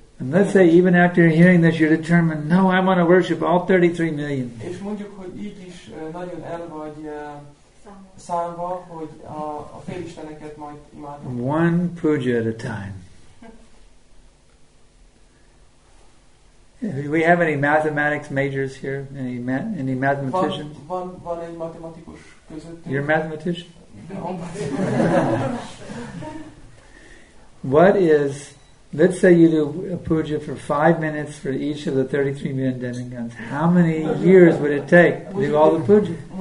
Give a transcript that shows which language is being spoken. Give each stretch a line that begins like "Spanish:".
English: And let's say even after hearing this, you're determined, no, I want to worship all 33 million.
Hungarian: És mondjuk, hogy így is nagyon el vagy számva, hogy a félisteneket majd imádom.
English: One puja at a time. Do we have any mathematics majors here? Any mathematicians?
Hungarian: Van egy matematikus közöttünk.
English: You're a mathematician? No. What is, let's say you do a puja for 5 minutes for each of the 33 million demigods. How many years would it take to do all the puja?